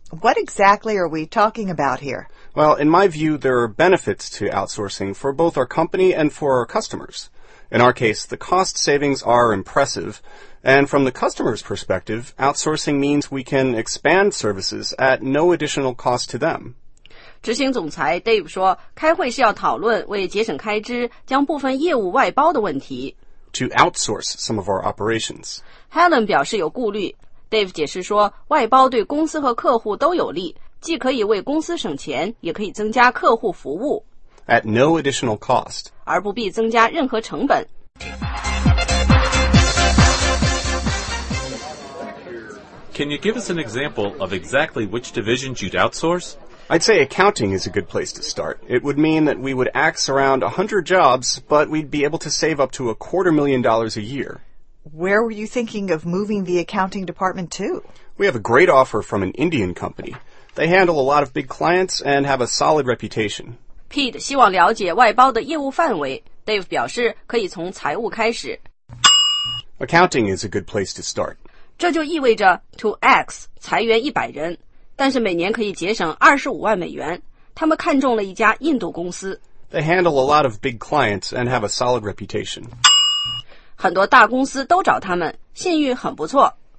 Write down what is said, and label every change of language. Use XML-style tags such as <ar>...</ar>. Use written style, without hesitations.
<en>What exactly are we talking about here? Well, in my view, there are benefits to outsourcing for both our company and for our customers. In our case, the cost savings are impressive, and from the customer's perspective, outsourcing means we can expand services at no additional cost to them.</en> <zh>执行总裁 Dave 说，开会是要讨论为节省开支将部分业务外包的问题。</zh> <en>To outsource some of our operations.</en> <zh>Helen 表示有顾虑。 Dave 解释说，外包对公司和客户都有利，既可以为公司省钱，也可以增加客户服务。</zh> <en>At no additional cost.</en> <zh>而不必增加任何成本。</zh> <en>Can you give us an example of exactly which divisions you'd outsource? I'd say accounting is a good place to start. It would mean that we would axe around 100 jobs, but we'd be able to save up to $250,000 a year. Where were you thinking of moving the accounting department to? We have a great offer from an Indian company. They handle a lot of big clients and have a solid reputation.</en> <zh>Pete 希望了解外包的业务范围。Dave 表示可以从财务开始。</zh> <en>Accounting is a good place to start.</en> <zh>这就意味着</zh> <en>to X</en> <zh>裁员100人，但是每年可以节省$250,000。他们看中了一家印度公司。</zh> <en>They handle a lot of big clients and have a solid reputation.</en> <zh>很多大公司都找他们，信誉很不错。</zh>